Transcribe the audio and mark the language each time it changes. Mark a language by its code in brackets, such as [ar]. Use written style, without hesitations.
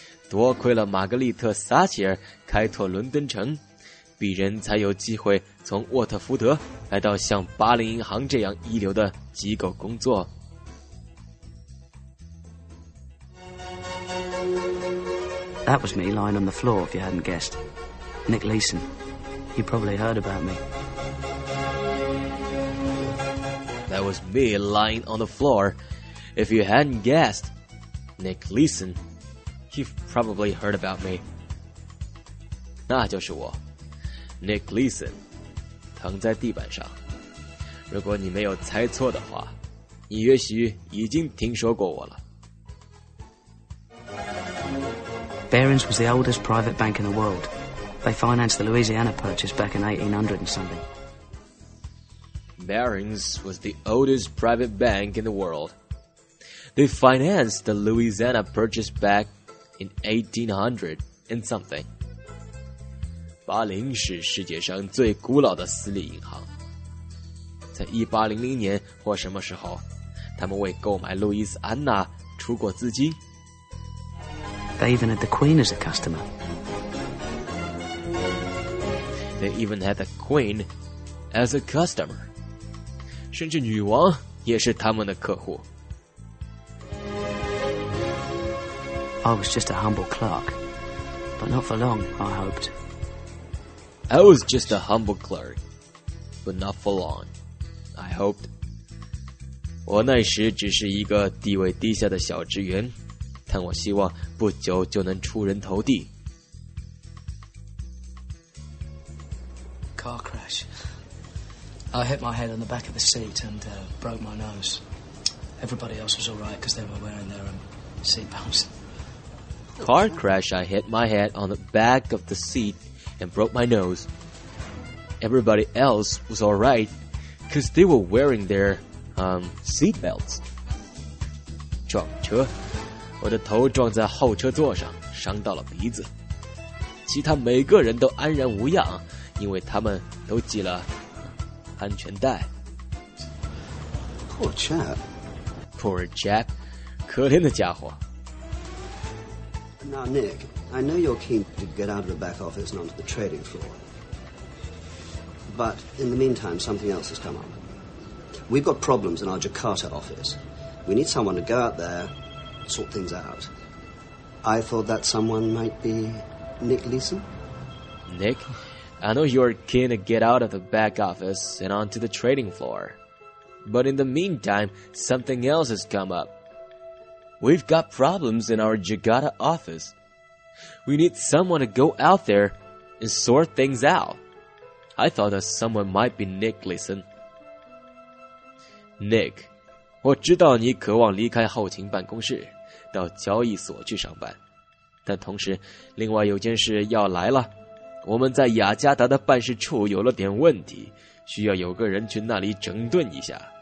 [zh] 多亏了玛格丽特·撒切尔开拓伦敦城，鄙人才有机会从沃特福德来到像巴黎银行这样一流的机构工作。 [en] That was me lying on the floor, if you hadn't guessed. Nick Leeson. You probably heard about me. That was me lying on the floor, if you hadn't guessed. Nick Leeson. You've probably heard about me. [zh] 那就是我。 Nick Leeson 躺在地板上，如果你没有猜错的话，你也许已经听说过我了。 [en] Barings was the oldest private bank in the world. They financed the Louisiana Purchase back in 1800 and something. Barings was the oldest private bank in the world. They financed the Louisiana Purchase back in 1800 and something. [zh] 巴林是世界上最古老的私立银行，在1800年或什么时候，他们为购买路易斯安娜出过资金。 [en] They even had the Queen as a customer. They even had the Queen as a customer. [zh] 甚至女王也是他们的客户。 [en] I was just a humble clerk, but not for long, I hoped. I was just a humble clerk, but not for long, I hoped. [zh] 我那时只是一个地位低下的小职员，但我希望不久就能出人头地。 [en] Car crash. I hit my head on the back of the seat and broke my nose. Everybody else was alright because they were wearing their seatbelts. Car crash. I hit my head on the back of the seat. And broke my nose. Everybody else was all right, cause they were wearing their seat belts. [zh] 撞车，我的头撞在后车座上，伤到了鼻子。其他每个人都安然无恙，因为他们都系了安全带。 [en] Poor chap. Poor chap. [zh] 可怜的家伙。 [en] Now, Nick. I know you're keen to get out of the back office and onto the trading floor. But in the meantime, something else has come up. We've got problems in our Jakarta office. We need someone to go out there, sort things out. I thought that someone might be Nick Leeson. Nick, I know you're keen to get out of the back office and onto the trading floor. But in the meantime, something else has come up. We've got problems in our Jakarta office. We need someone to go out there and sort things out. I thought that someone might be Nick Leeson. [zh] Nick, 我知道你渴望离开后勤办公室到交易所去上班，但同时另外有件事要来了。我们在雅加达的办事处有了点问题，需要有个人去那里整顿一下。